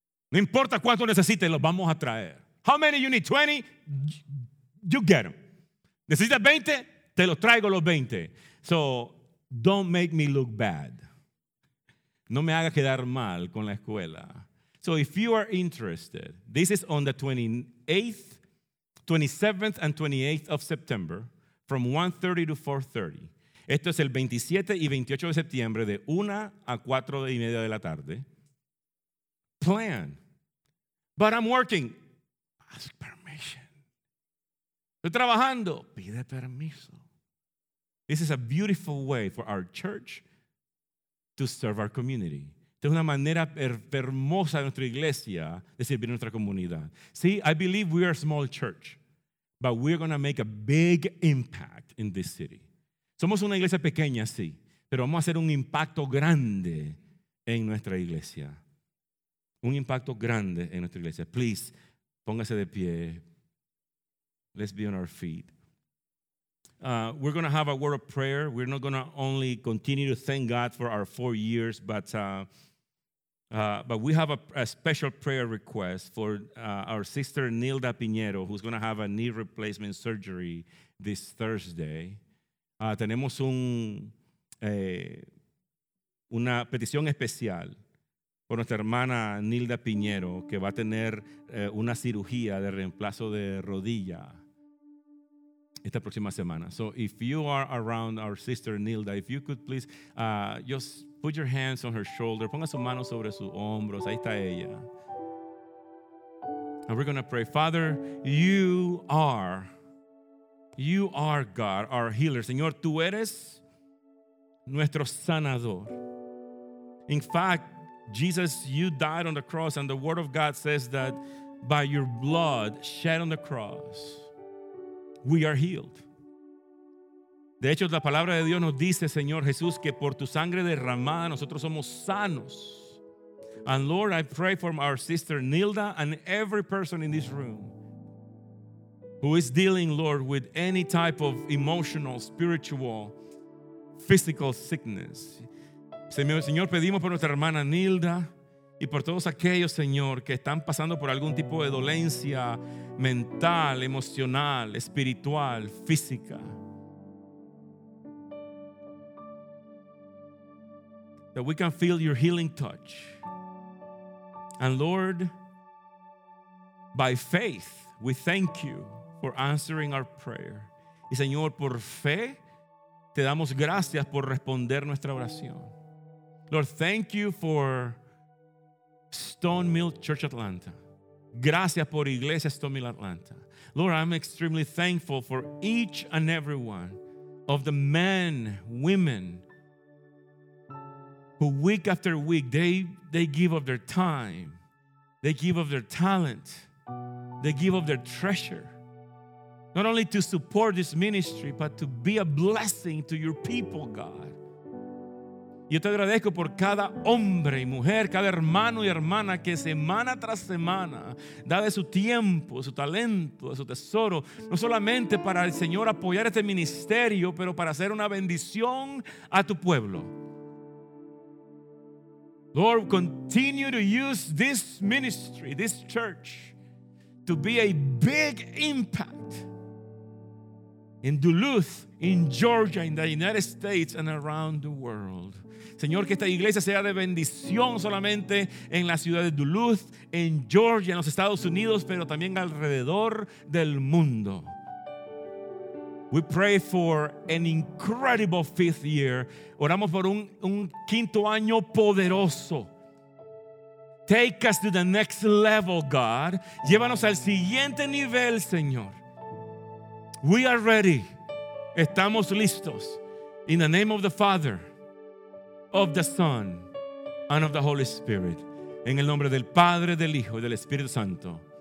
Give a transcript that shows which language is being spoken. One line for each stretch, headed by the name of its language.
Spanish: No importa cuánto necesites, los vamos a traer.
English: How many you need? 20? You get them.
Spanish: ¿Necesitas 20? Te los traigo los 20.
English: So, don't make me look bad.
Spanish: No me haga quedar mal con la escuela.
English: So, if you are interested, this is on the 28th, 27th and 28th of September from 1:30 to 4:30.
Spanish: Esto es el 27 y 28 de septiembre de 1 a 4 y media de la tarde.
English: Plan. But I'm working. Ask permission.
Spanish: Estoy trabajando. Pide permiso.
English: This is a beautiful way for our church to serve our community.
Spanish: Es una manera hermosa de nuestra iglesia de servir a nuestra comunidad.
English: See, I believe we are a small church, but we're going to make a big impact in this city.
Spanish: Somos una iglesia pequeña, sí, pero vamos a hacer un impacto grande en nuestra iglesia. Un impacto grande en nuestra iglesia.
English: Please,
Spanish: póngase de pie.
English: Let's be on our feet. We're going to have a word of prayer. We're not going to only continue to thank God for our 4 years, but we have a special prayer request for our sister Nilda Piñero, who's going to have a knee replacement surgery this Thursday.
Spanish: Tenemos una petición especial por nuestra hermana Nilda Piñero, que va a tener una cirugía de reemplazo de rodilla esta próxima semana.
English: So if you are around our sister Nilda, if you could please just put your hands on her shoulder.
Spanish: Ponga su mano sobre sus hombros. Ahí está ella.
English: And we're going to pray. Father, you are God, our healer.
Spanish: Señor, tú eres nuestro sanador.
English: In fact, Jesus, you died on the cross, and the word of God says that by your blood shed on the cross, we are healed.
Spanish: De hecho, la palabra de Dios nos dice, Señor Jesús, que por tu sangre derramada nosotros somos sanos.
English: And Lord, I pray for our sister Nilda and every person in this room who is dealing, Lord, with any type of emotional, spiritual, physical sickness.
Spanish: Señor, pedimos por nuestra hermana Nilda y por todos aquellos, Señor, que están pasando por algún tipo de dolencia mental, emocional, espiritual, física.
English: That we can feel your healing touch. And Lord, by faith, we thank you for answering our prayer.
Spanish: Y Señor, por fe, te damos gracias por responder nuestra oración.
English: Lord, thank you for Stone Mill Church Atlanta.
Spanish: Gracias por Iglesia Stone Mill Atlanta.
English: Lord, I'm extremely thankful for each and every one of the men, women, who week after week, they give of their time, they give of their talent, they give of their treasure, not only to support this ministry, but to be a blessing to your people, God.
Spanish: Yo te agradezco por cada hombre y mujer, cada hermano y hermana que semana tras semana da de su tiempo, de su talento, de su tesoro, no solamente para el Señor apoyar este ministerio, pero para hacer una bendición a tu pueblo.
English: Lord, continue to use this ministry, this church, to be a big impact in Duluth, in Georgia, in the United States, and around the world.
Spanish: Señor, que esta iglesia sea de bendición solamente en la ciudad de Duluth, en Georgia, en los Estados Unidos, pero también alrededor del mundo.
English: We pray for an incredible fifth year.
Spanish: Oramos por un quinto año poderoso.
English: Take us to the next level, God.
Spanish: Llévanos al siguiente nivel, Señor.
English: We are ready.
Spanish: Estamos listos.
English: In the name of the Father, of the Son, and of the Holy Spirit.
Spanish: En el nombre del Padre, del Hijo y del Espíritu Santo.